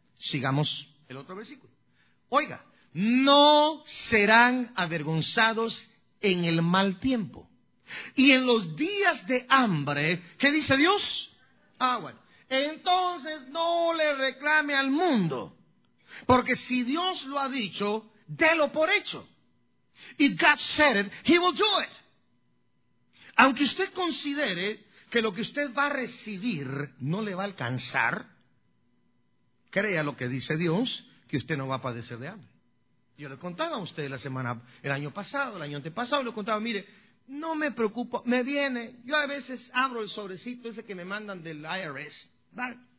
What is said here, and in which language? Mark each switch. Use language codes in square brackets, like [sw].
[es] Sigamos el otro versículo. Oiga, no serán avergonzados en el mal tiempo. Y en los días de hambre, ¿qué dice Dios? Ah, bueno. Entonces no le reclame al mundo. Porque si Dios lo ha dicho, délo por hecho. [en] If God said it, he will do it. [es] Aunque usted considere que lo que usted va a recibir no le va a alcanzar, crea lo que dice Dios, que usted no va a padecer de hambre. Yo le contaba a usted la semana, el año pasado, el año antepasado, le contaba, mire, no me preocupo, me viene, yo a veces abro el sobrecito ese que me mandan del IRS, ¿vale?